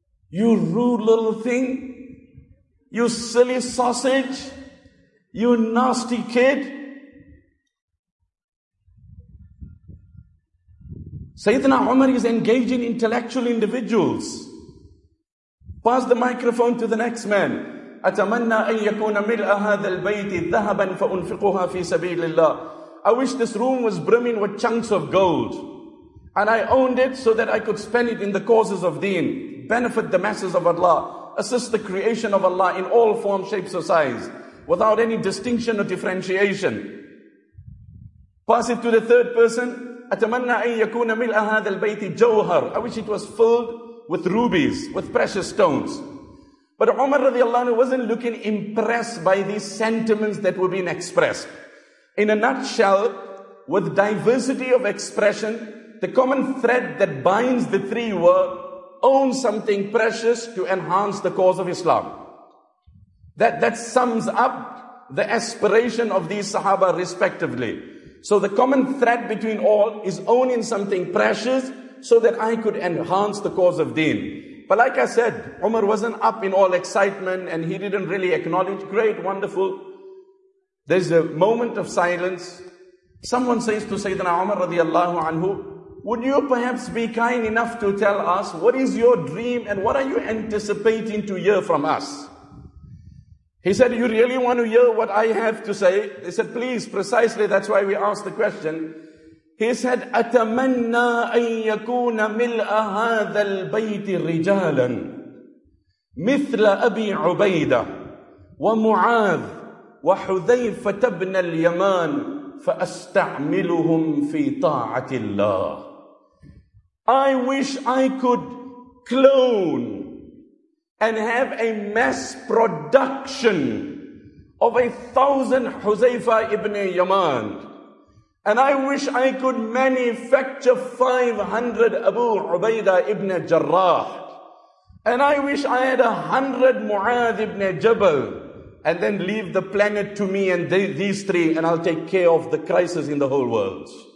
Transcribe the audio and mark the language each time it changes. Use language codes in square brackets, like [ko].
[en] You rude little thing. You silly sausage. You nasty kid. Sayyidina Umar is engaging intellectual individuals. Pass the microphone to the next man. [ar] أتمنى أن يكون ملء هذا البيت ذهبا فأنفقها في سبيل الله. [en] I wish this room was brimming with chunks of gold. And I owned it so that I could spend it in the causes of deen. Benefit the masses of Allah. Assist the creation of Allah in all forms, shapes, or size. Without any distinction or differentiation. Pass it to the third person. [ar] أتمنى أن يكون ملء هذا البيت جوهر. [en] I wish it was filled with rubies, with precious stones. But Umar radiallahu anhu wasn't looking impressed by these sentiments that were being expressed. In a nutshell, with diversity of expression, the common thread that binds the three were, own something precious to enhance the cause of Islam. That sums up the aspiration of these Sahaba respectively. So the common thread between all is owning something precious so that I could enhance the cause of deen. But like I said, Umar wasn't up in all excitement and he didn't really acknowledge. Great, wonderful. There's a moment of silence. Someone says to Sayyidina Umar radiallahu anhu, would you perhaps be kind enough to tell us what is your dream and what are you anticipating to hear from us? He said, you really want to hear what I have to say? They said, please, precisely, that's why we asked the question. He said, [ar] أَتَمَنَّى أَن يَكُونَ مِلْأَ هَذَا الْبَيْتِ رِجَالًا مِثْلَ أَبِي عُبَيْدَةٍ وَمُعَاذٍ وَحُذَيْفَةَ ابْنَ الْيَمَانِ فَأَسْتَعْمِلُهُمْ فِي طَاعَةِ اللَّهِ [en] I wish I could clone and have a mass production of 1,000 Huzaifa ibn Yaman. And I wish I could manufacture 500 Abu Ubaidah ibn Jarrah. And I wish I had 100 Mu'adh ibn Jabal. And then leave the planet to me and these three, and I'll take care of the crisis in the whole world.